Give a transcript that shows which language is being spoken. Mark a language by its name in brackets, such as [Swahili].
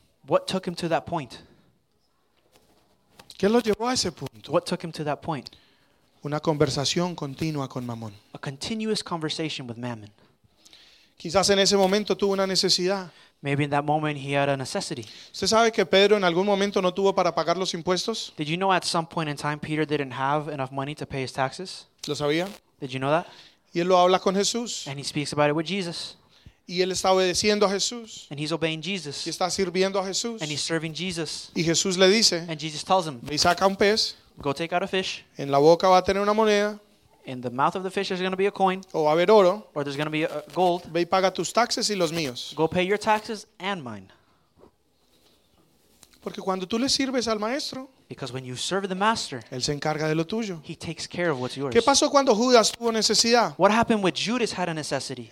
[English] What took him to that point? [Spanish] ¿Qué lo llevó a ese punto? [English] What took him to that point? [Spanish] Una conversación continua con Mamón. [English] A continuous conversation with Mammon. [Spanish] Quizás en ese momento tuvo una necesidad. [English] Maybe in that moment he had a necessity. [Spanish] ¿Usted sabe que Pedro en algún momento no tuvo para pagar los impuestos? [English] Did you know at some point in time Peter didn't have enough money to pay his taxes? [Spanish] ¿Lo sabía? [English] Did you know that? [Spanish] Y él lo habla con Jesús. [English] And he speaks about it with Jesus. [Spanish] Y él está obedeciendo a Jesús. [English] And he's obeying Jesus. [Spanish] Y está sirviendo a Jesús. [English] And he's serving Jesus. [Spanish] Y Jesús le dice. [English] And Jesus tells him. [Spanish] Ve y saca un pez. [English] Go take out a fish. [Spanish] En la boca va a tener una moneda. [English] In the mouth of the fish there's going to be a coin. [Spanish] O va a haber oro. [English] Or there's going to be gold. [Spanish] Ve y paga tus taxes y los míos. [English] Go pay your taxes and mine. [Spanish] Porque cuando tú le sirves al maestro. [English] Because when you serve the master. [Spanish] Él se encarga de lo tuyo. [English] He takes care of what's yours. [Spanish] ¿Qué pasó cuando Judas tuvo necesidad? [English] What happened when Judas had a necessity?